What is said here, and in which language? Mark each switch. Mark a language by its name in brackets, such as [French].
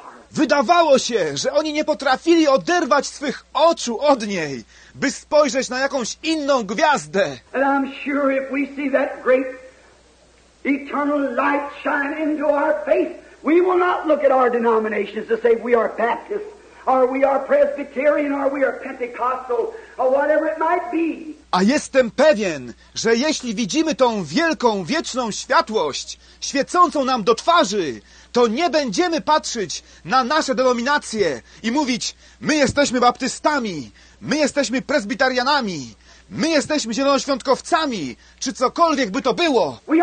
[Polish] Wydawało się, że oni nie potrafili oderwać swych oczu od niej, by spojrzeć na jakąś inną gwiazdę. [English] And I'm sure if we see that great eternal light shine into our face, we will not look at our denominations to say we are Baptist, or we are Presbyterian, or we are Pentecostal, or whatever it might be. [Polish] A jestem pewien, że jeśli widzimy tą wielką, wieczną światłość, świecącą nam do twarzy, to nie będziemy patrzeć na nasze denominacje i mówić: my jesteśmy baptystami, my jesteśmy prezbiterianami, my jesteśmy zielonoświątkowcami, czy cokolwiek by to było.